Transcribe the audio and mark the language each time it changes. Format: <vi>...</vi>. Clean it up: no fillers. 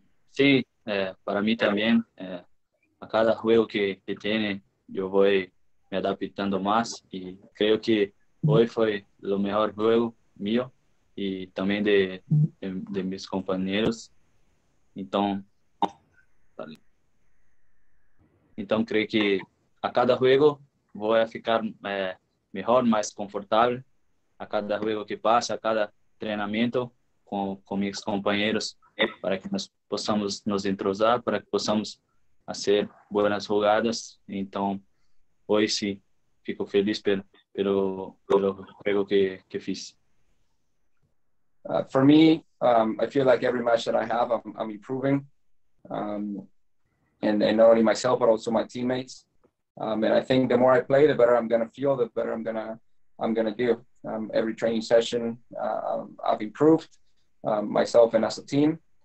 <es>Sí, para mí también. A cada juego que tiene, yo voy me adaptando más. Y creo que hoy fue lo mejor juego mío y también de mis compañeros.</es> <pt>Então creio que a cada jogo vou ficar melhor, mais confortável. A cada jogo que passa, a cada treinamento com meus companheiros, para que nós possamos nos entrosar, para que possamos fazer boas jogadas. Então, hoje sim, fico feliz pelo jogo que fiz.</pt> <en>For me, I feel like every match that I have, I'm improving. And not only myself, but also my teammates. And I think the more I play, the better I'm going to feel, the better I'm gonna do. Every training session, I've improved myself and as a team.</en>